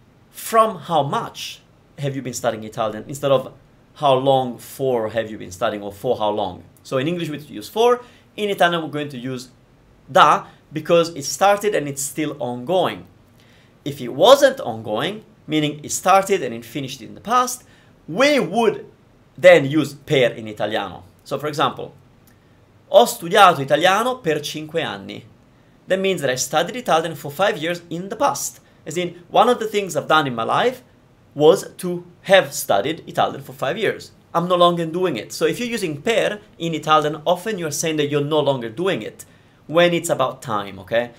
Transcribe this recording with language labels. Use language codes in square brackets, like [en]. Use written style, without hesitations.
[en] From how much have you been studying Italian? Instead of how long for have you been studying, or for how long. So in English we use for, in Italian we're going to use da because it started and it's still ongoing. If it wasn't ongoing, meaning it started and it finished in the past, we would then use per in Italiano. So for example, [it] ho studiato italiano per 5 anni. [en] That means that I studied Italian for 5 years in the past. As in, one of the things I've done in my life was to have studied Italian for 5 years. I'm no longer doing it. So if you're using per in Italian, often you're saying that you're no longer doing it when it's about time, okay?